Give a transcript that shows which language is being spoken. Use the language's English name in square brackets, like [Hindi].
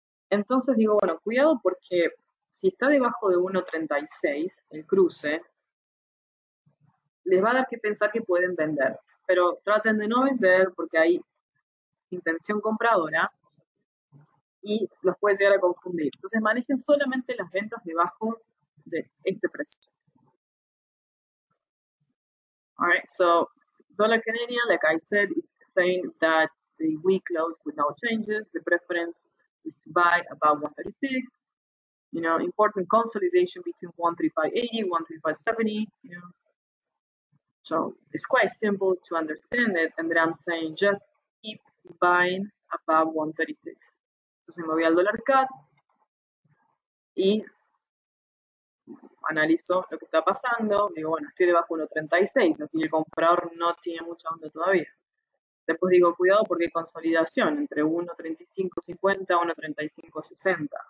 [Spanish] Entonces digo, bueno, cuidado porque si está debajo de 1.36 el cruce, les va a dar que pensar que pueden vender. Pero traten de no vender porque hay intención compradora y los puede llegar a confundir. Entonces manejen solamente las ventas debajo de este precio. [English] Alright, so dollar Canadian, like I said, is saying that the week closed without changes. The preference is to buy above 136. You know, important consolidation between 135.80, 135.70. You know, so it's quite simple to understand it. And then I'm saying just keep buying above 136. [Spanish] Entonces me voy al dólar CAD y analizo lo que está pasando. Digo, bueno, estoy debajo de 1.36, así que el comprador no tiene mucha onda todavía. Después digo, cuidado porque hay consolidación entre 1.3550 a 1.3560.